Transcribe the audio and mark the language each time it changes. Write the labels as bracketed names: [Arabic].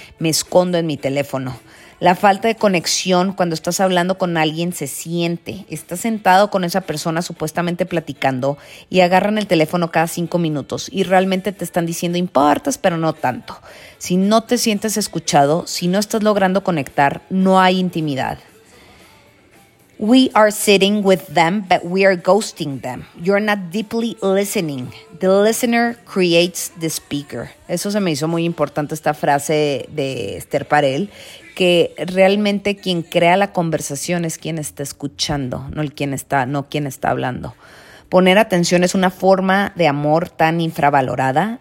[Spanish] Me escondo en mi teléfono. La falta de conexión cuando estás hablando con alguien se siente. Estás sentado con esa persona supuestamente platicando y agarran el teléfono cada 5 minutos y realmente te están diciendo importas, pero no tanto. Si no te sientes escuchado, si no estás logrando conectar, no hay intimidad. [English] We are sitting with them, but we are ghosting them. You're not deeply listening. The listener creates the speaker. [Spanish] Eso se me hizo muy importante, esta frase de Esther Perel, que realmente quien crea la conversación es quien está escuchando, no quien está hablando. Poner atención es una forma de amor tan infravalorada.